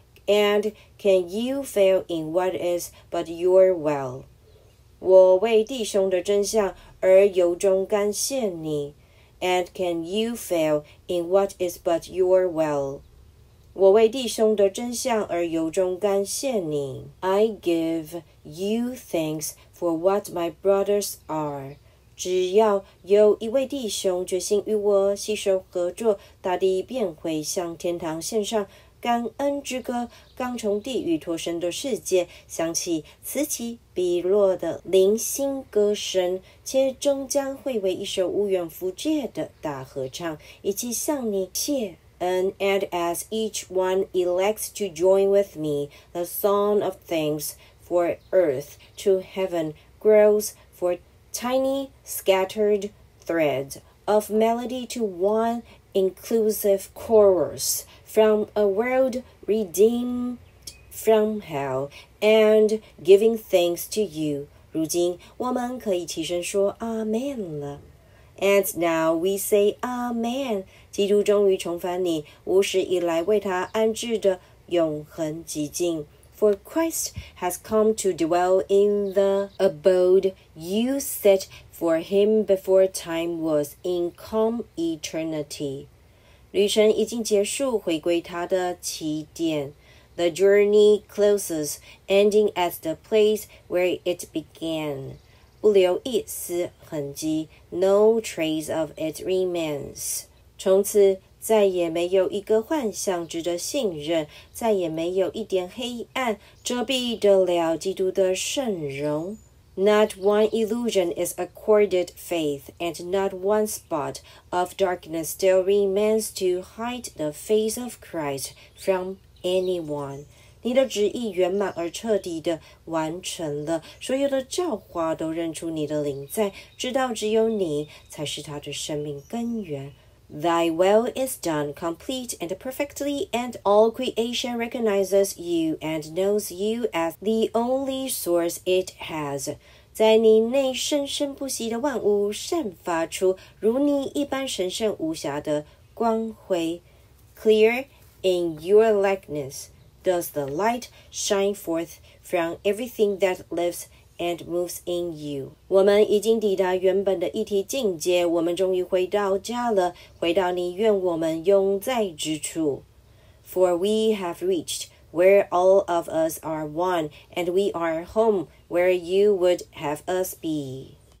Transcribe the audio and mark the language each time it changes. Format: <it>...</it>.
<en>And can you fail in what is but your will?</en> <zh>我为弟兄的真相而由衷感谢你。</zh> <en>And can you fail in what is but your will?</en> <zh>我为弟兄的真相而由衷感谢你。</zh> <en>I give you thanks for what my brothers are.</en> <zh>只要有一位弟兄决心与我携手合作，大地便会向天堂献上感恩之歌。刚从地狱脱身的世界响起此起彼落的零星歌声，且终将会为一首无远弗届的大合唱以及向你谢恩。</zh> <en>And as each one elects to join with me, the song of thanks for earth to heaven grows for tiny scattered threads of melody to one inclusive chorus. From a world redeemed from hell and giving thanks to you.</en> <zh>如今我们可以起身说 Amen 了。</zh> <en>And now we say Amen.</en> <zh>基督终于重返你无始以来为他安置的永恒极境。</zh> <en>For Christ has come to dwell in the abode you set for him before time was in calm eternity.</en> <zh>旅程已经结束，回归他的起点。</zh> <en>The journey closes, ending at the place where it began.</en> <zh>不留一丝痕迹</zh> <en>,no trace of it remains.</en> <zh>从此再也没有一个幻象值得信任，再也没有一点黑暗遮蔽得了基督的圣容。</zh> <en>Not one illusion is accorded faith, and not one spot of darkness still remains to hide the face of Christ from anyone.</en> <zh>你的旨意圆满而彻底地完成了，所有的教化都认出你的灵在，知道只有你才是他的生命根源。</zh> <en>Thy will is done complete and perfectly, and all creation recognizes you and knows you as the only source it has.</en> <zh>在你内生生不息的万物散发出如你一般神圣无暇的光辉。</zh> <en>Clear in your likeness does the light shine forth from everything that lives and moves in you.</en> <zh>我们已经抵达原本的一体境界，我们终于回到家了，回到你愿我们永在之处。</zh> <en>For we have reached where all of us are one, and we are home where you would have us be.</en>